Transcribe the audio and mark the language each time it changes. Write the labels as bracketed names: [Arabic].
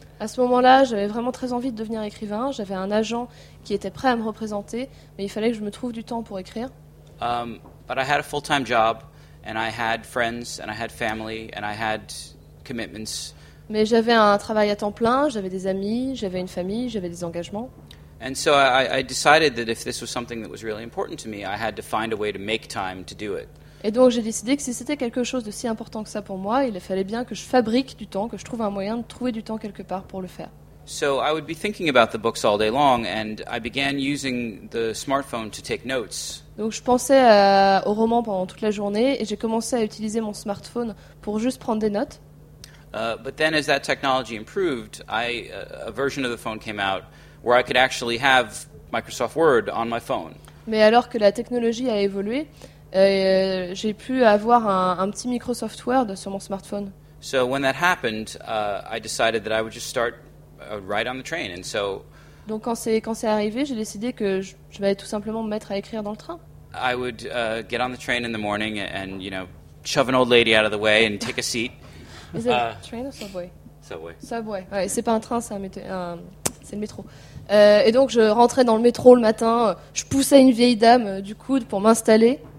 [French] À ce moment-là, j'avais vraiment très envie de devenir écrivain. J'avais un agent qui était prêt à me représenter, mais il fallait que je me trouve du temps pour écrire. [English] But I had a full-time job, and I had friends, and I had family, and I had commitments. [French] Mais j'avais un travail à temps plein, j'avais des amis, j'avais une famille, j'avais des engagements. [English] And so I decided that if this was something that was really important to me, I had to find a way to make time to do it. [French] Et donc j'ai décidé que si c'était quelque chose de si important que ça pour moi, il fallait bien que je fabrique du temps, que je trouve un moyen de trouver du temps quelque part pour le faire. [English] So I would be thinking about the books all day long, and I began using the smartphone to take notes. [French] Donc je pensais au roman pendant toute la journée, et j'ai commencé à utiliser mon smartphone pour juste prendre des notes. [English] But then as that technology improved, a version of the phone came out where I could actually have Microsoft Word on my phone. [French] Mais alors que la technologie a évolué, j'ai pu avoir un petit Microsoft Word sur mon smartphone. [English] So when that happened, I decided that I would just start right on the train. And so [French] donc quand c'est arrivé, j'ai décidé que je vais tout simplement me mettre à écrire dans le train. [English] I would get on the train in the morning and you know, shove an old lady out of the way and take a seat. Is it a train or subway? Subway. Subway. [French] Ouais, c'est pas un train, c'est le métro. Et donc je rentrais dans le métro le matin, je poussais une vieille dame du coude pour m'installer.